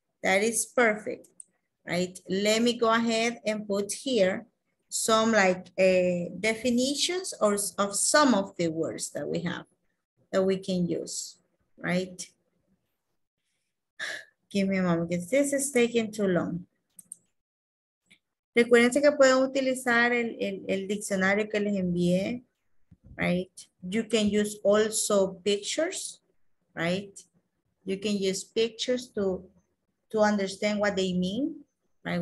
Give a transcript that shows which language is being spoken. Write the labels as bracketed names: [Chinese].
[English] That is perfect, right? Let me go ahead and put here some definitions or of some of the words that we have. That we can use, right? Give me a moment, because this is taking too long. [Spanish] Recuérdense que pueden utilizar el diccionario que les envié, [English] right? You can use also pictures, right? You can use pictures to understand what they mean, right?